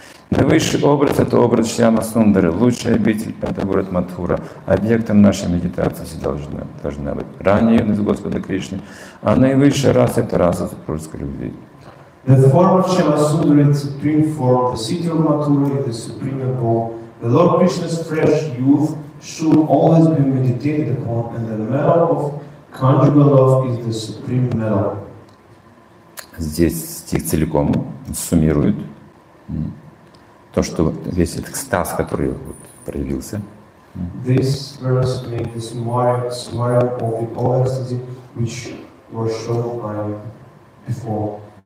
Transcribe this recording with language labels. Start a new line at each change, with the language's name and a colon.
Russian: Наивысший образ — это образ Шьяма Сундары, лучший обитель — это город Матхура. Объектом нашей медитации должна быть ранняя юность Господа Кришны, а наивысшая раса — это раса супружеской любви.
English: The form of Shyama Sundara is supreme form, the city of Mathura is the supreme goal. The Lord Krishna's fresh youth should always be meditated upon, and the mellow of conjugal love is the supreme medal.
Russian: Здесь стих целиком суммирует то, что весь этот экстаз, который вот проявился.
English: This verse makes the summary of the all ecstasy which was shown before.